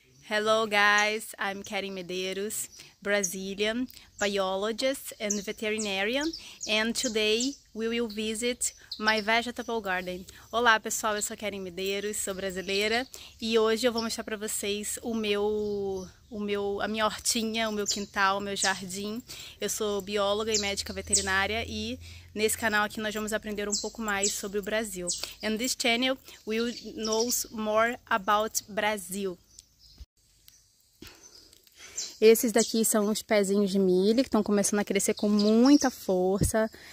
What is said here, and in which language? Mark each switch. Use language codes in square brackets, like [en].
[en] Hello guys, I'm Karen Medeiros, Brazilian biologist and veterinarian, and today we will visit my vegetable garden. [pt] Olá pessoal, eu sou Karen Medeiros, sou brasileira e hoje eu vou mostrar para vocês a minha hortinha, o meu quintal, o meu jardim. Eu sou bióloga e médica veterinária e nesse canal aqui nós vamos aprender um pouco mais sobre o Brasil. [en] And this channel will know more about Brazil. [pt] Esses daqui são os pezinhos de milho, que estão começando a crescer com muita força.